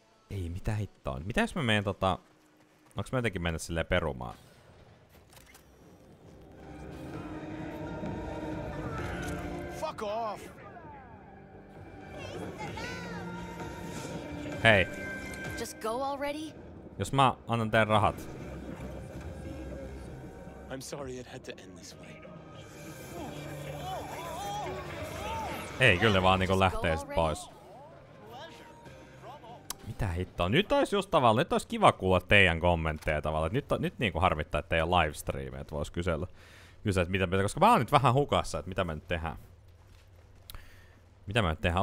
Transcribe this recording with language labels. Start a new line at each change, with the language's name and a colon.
Finnish: Ei, mitä hittoa. Mitä jos mä meen tota... Onks mä jotenkin mennä silleen perumaan?
English: Fuck off!
Finnish: Hei.
English: Just go already?
Finnish: Jos mä annan teidän rahat.
English: I'm sorry it had to end this way.
Finnish: Ei, kyllä ne vaan niinku lähtee sit pois. mitä hittoa? Nyt olisi just tavallaan, nyt olisi kiva kuulla teidän kommentteja tavallaan. Nyt niinku harmittaa, että ei ole livestream, että voisi kysellä, että mitä me, koska mä oon nyt vähän hukassa, että mitä me nyt tehdään. Mitä me nyt tehdään?